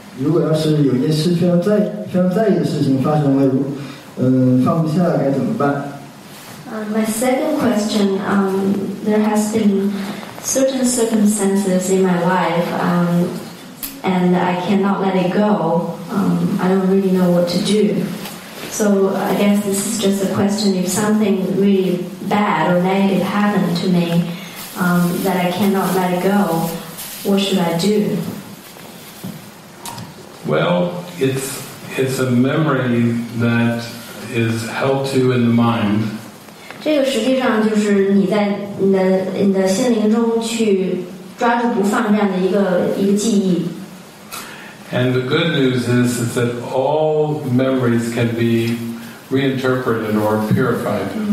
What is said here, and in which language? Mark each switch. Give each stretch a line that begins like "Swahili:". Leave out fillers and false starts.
Chinese: 如果要是有一件事非常在意的事情发生了，放不下该怎么办？
English: My second question, there has been certain circumstances in my life, and I cannot let it go. I don't really know what to do. So I guess this is just a question, if something really bad or negative happened to me that I cannot let it go, what should I do? Well, it's a memory that is held to in the mind.
Chinese: 这个实际上就是你在你的心灵中去抓住不放这样的一个记忆。
English: And the good news is that all memories can be reinterpreted or purified.